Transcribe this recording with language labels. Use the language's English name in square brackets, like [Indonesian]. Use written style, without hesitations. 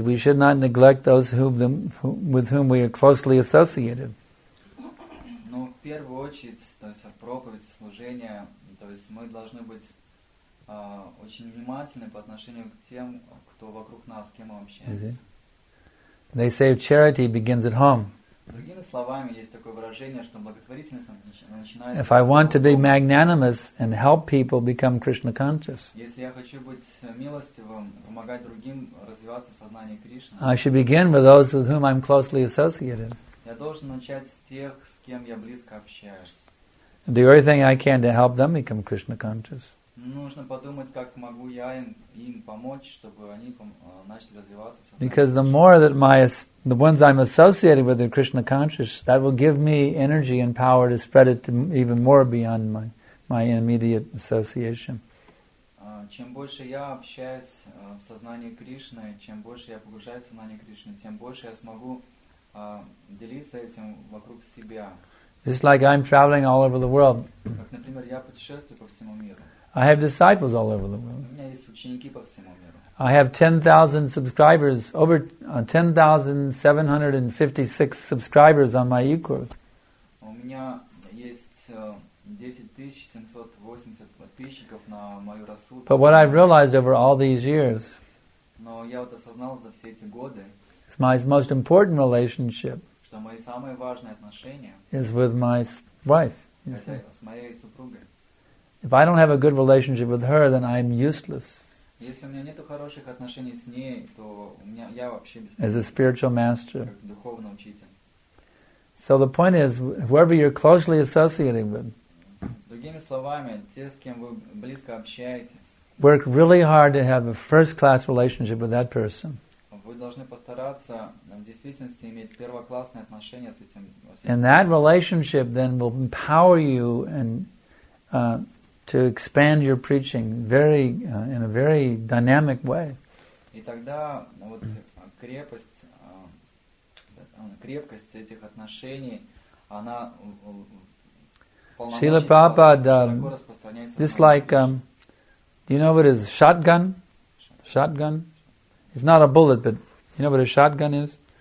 [English] We should not neglect those with whom we are closely associated. [Russian] Ну, в первую очередь, то есть проповедь, служение, то есть мы должны быть очень внимательны по отношению к тем, кто вокруг нас, с кем мы общаемся. [English] They say charity begins at home. [Russian] Другими словами, есть такое выражение, что благотворительность начинается. [English] If I want to be magnanimous and help people become Krishna conscious, [Russian] если я хочу быть милостивым, помогать другим развиваться в сознании Кришны, [English] I should begin with those with whom I'm closely associated. [Russian] Я должен начать с тех, с кем я близко общаюсь. [English] Do everything I can to help them become Krishna conscious. [Russian] Нужно подумать, как могу я им помочь, чтобы они начали развиваться. [English] Because the more that the ones I'm associated with are Krishna conscious, that will give me energy and power to spread it to even more beyond my immediate association. [Russian] Чем больше я общаюсь в сознании Кришны, чем больше я погружаюсь в сознание Кришны, тем больше я смогу делиться этим вокруг себя. [English] Just like I'm traveling all over the world. [Russian] Как, например, я путешествую по всему миру. [English] I have disciples all over the world. [Russian] У меня есть ученики по всему миру. [English] I have 10,000 subscribers, over 10,756 subscribers on my e-course. [Russian] У меня есть 10,780 подписчиков на мою рассылку. [English] But what I've realized over all these years, [Russian] но я вот осознал за все эти годы, [English] is my most important relationship, [Russian] что мои самые важные отношения, [English] is with my wife. [Russian] Это с моей супругой. [English] If I don't have a good relationship with her, then I'm useless. [Russian] Если у меня нету хороших отношений с ней, то у меня я вообще без. [English] As a spiritual master. [Russian] Как духовный учитель. [English] So the point is, whoever you're closely associated with. [Russian] Другими словами, те, с кем вы близко общаетесь. [English] Work really hard to have a first-class relationship with that person. [Russian] Вы должны постараться в действительности иметь первоклассные отношения с этим. [English] And that relationship then will empower you and to expand your preaching very in a very dynamic way. [Russian] И тогда вот крепость этих отношений она [English] Srila Prabhupada just like do you know what is shotgun? Shotgun? It's not a bullet, but you know what a shotgun is?